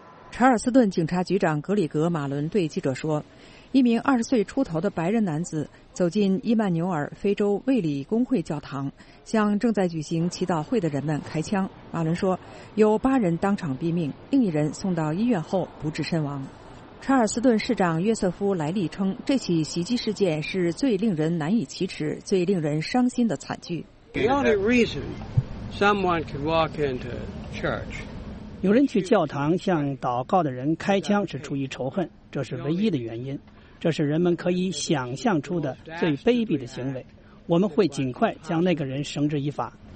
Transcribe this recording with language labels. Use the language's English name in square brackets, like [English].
[Chinese] 查尔斯顿警察局长格里格·马伦对记者说，一名二十岁出头的白人男子走进伊曼纽尔非洲卫理公会教堂，向正在举行祈祷会的人们开枪。马伦说，有八人当场毙命，另一人送到医院后不治身亡。查尔斯顿市长约瑟夫·莱利称，这起袭击事件是最令人难以启齿、最令人伤心的惨剧。 [English] The only reason someone could walk into church. [Chinese] 有人去教堂向祷告的人开枪是出于仇恨，这是唯一的原因，这是人们可以想象出的最卑鄙的行为。我们会尽快将那个人绳之以法。